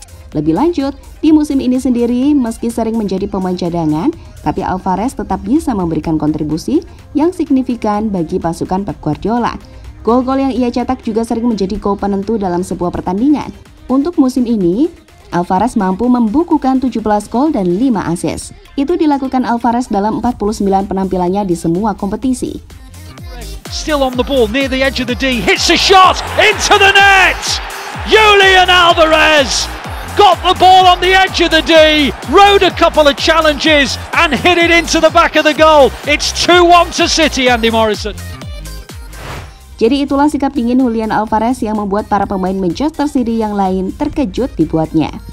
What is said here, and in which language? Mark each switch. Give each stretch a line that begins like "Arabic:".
Indonesian: Lebih lanjut, di musim ini sendiri, meski sering menjadi pemain cadangan, tapi Alvarez tetap bisa memberikan kontribusi yang signifikan bagi pasukan Pep Guardiola. Gol-gol yang ia cetak juga sering menjadi gol penentu dalam sebuah pertandingan. Untuk musim ini, Alvarez mampu membukukan 17 gol dan 5 assist. Itu dilakukan Alvarez dalam 49 penampilannya di semua kompetisi.
English: Still on the ball, near the edge of the D, hits a shot, into the net! Julian Alvarez! Got the ball on the edge of the D, rode a couple of challenges, and hit it into the back of the goal. It's 2-1 to City, Andy Morrison.
Indonesian: Jadi itulah sikap dingin Julian Alvarez yang membuat para pemain Manchester City yang lain terkejut dibuatnya.